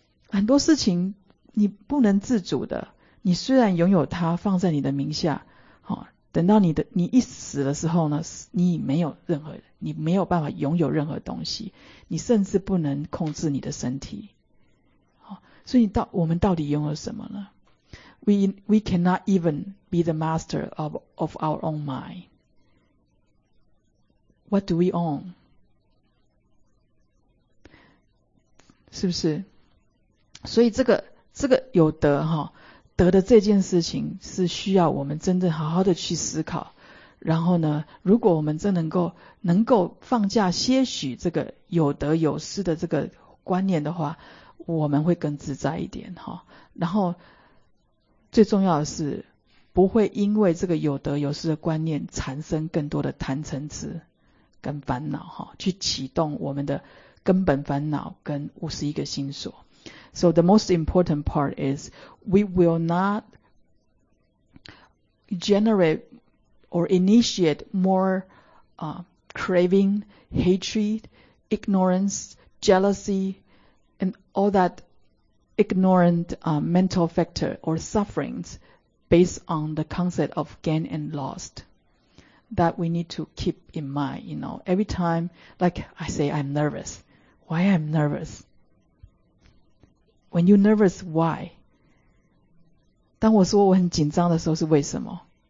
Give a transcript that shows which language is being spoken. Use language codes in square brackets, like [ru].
[zh] 很多事情你不能自主的，你虽然拥有它放在你的名下，好。等到你一死的时候呢，你没有办法拥有任何东西，你甚至不能控制你的身体。所以我们到底拥有什么呢？ [en] We cannot even be the master of our own mind. What do we own? [zh] 是不是？所以这个有德齁，得的这件事情是需要我们真正好好的去思考，然后呢，如果我们真能够放下些许这个有得有失的这个观念的话，我们会更自在一点，然后最重要的是不会因为这个有得有失的观念产生更多的贪嗔痴跟烦恼，去启动我们的根本烦恼跟51心锁。 [en] So the most important part is we will not generate or initiate more craving, hatred, ignorance, jealousy, and all that ignorant mental factor or sufferings based on the concept of gain and loss that we need to keep in mind. You know, every time, like I say, I'm nervous. Why am I nervous? When you're nervous, why? [zh] 当我说我很紧张的时候是为什么？